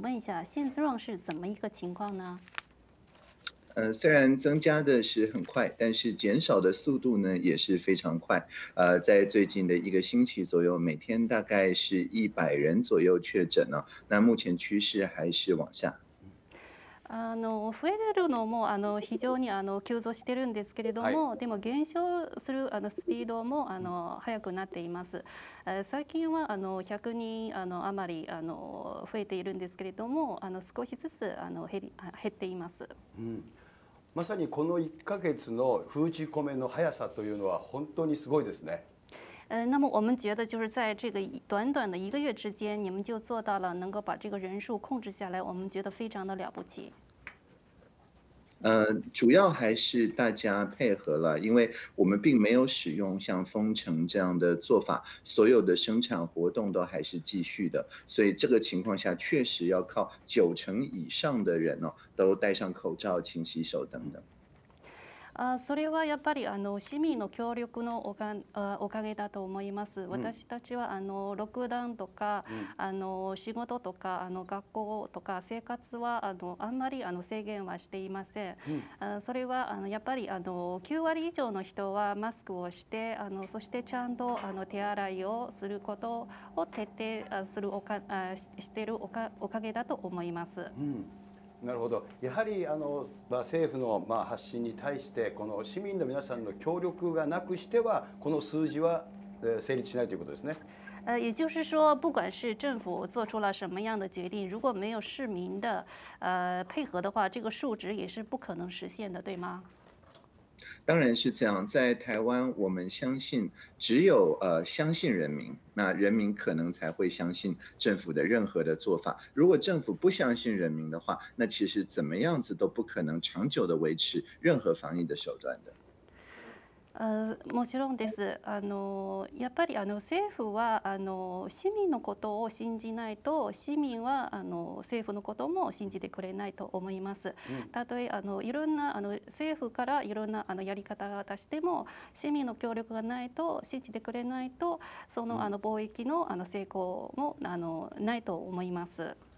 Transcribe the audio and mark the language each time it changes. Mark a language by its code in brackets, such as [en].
[ja] 5月、6月にかけまして感染者がですね、1万人以上急増してしまったこの現状、どう捉えていらっしゃいますでしょうか。 [zh] 首先呢，我们想问一下，就是因为台湾在抗击新冠病毒的工作方面呢，一直都做得非常的出色，但是呢，在最近的5月到6月期间呢，就是感染者呢达到了10000人以上，就是增加的比较快。我们想请问一下，现状是怎么一个情况呢？虽然增加的是很快，但是减少的速度呢也是非常快。在最近的一个星期左右，每天大概是100人左右确诊呢。那目前趋势还是往下。 [ja] 増えれるのも非常に急増してるんですけれども、はい、でも減少するスピードも速くなっています。最近は100人余り増えているんですけれども、少しずつ減っています。うん、まさにこの1ヶ月の封じ込めの速さというのは本当にすごいですね。 [zh] 那么我们觉得就是在这个短短的一个月之间，你们就做到了能够把这个人数控制下来，我们觉得非常的了不起。主要还是大家配合了，因为我们并没有使用像封城这样的做法，所有的生产活动都还是继续的，所以这个情况下确实要靠九成以上的人哦，都戴上口罩、勤洗手等等。 [ja] それはやっぱり市民の協力のおかげだと思います。私たちはロックダウンとか仕事とか学校とか生活はあんまり制限はしていません。それはやっぱり9割以上の人はマスクをして、そしてちゃんと手洗いをすることを徹底するしているおかげだと思います。なるほど。やはり政府の発信に対してこの市民の皆さんの協力がなくしてはこの数字は成立しないということですね。 [zh] 也就是说，不管是政府做出了什么样的决定，如果没有市民的配合的话，这个数值也是不可能实现的，对吗？当然是这样。在台湾，我们相信只有相信人民，那人民可能才会相信政府的任何的做法。如果政府不相信人民的话，那其实怎么样子都不可能长久的维持任何防疫的手段的。 [ja] もちろんです。やっぱり政府は市民のことを信じないと、市民は政府のことも信じてくれないと思います。たとえいろんな政府からいろんなやり方を出しても、市民の協力がないと信じてくれないと、その貿易の成功もないと思います。